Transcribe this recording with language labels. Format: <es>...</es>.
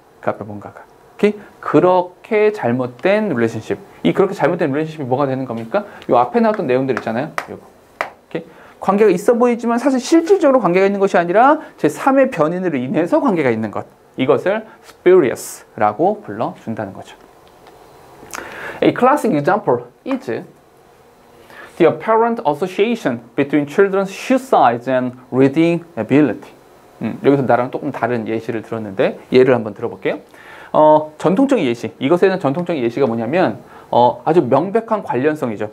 <ko>그 앞에 뭔가가. 오케이? 그렇게 잘못된 relationship. 이 그렇게 잘못된 relationship이 뭐가 되는 겁니까? 요 앞에 나왔던 내용들 있잖아요. 요거. 오케이? 관계가 있어 보이지만 사실 실질적으로 관계가 있는 것이 아니라 제 3의 변인으로 인해서 관계가 있는 것. 이것을 spurious라고 불러준다는 거죠.</ko> <en>A classic example is the apparent association between children's shoe size and reading ability.</en> <ko>여기서 나랑 조금 다른 예시를 들었는데 예를 한번 들어볼게요. 전통적인 예시. 이것에 대한 전통적인 예시가 뭐냐면 아주 명백한 관련성이죠.</ko>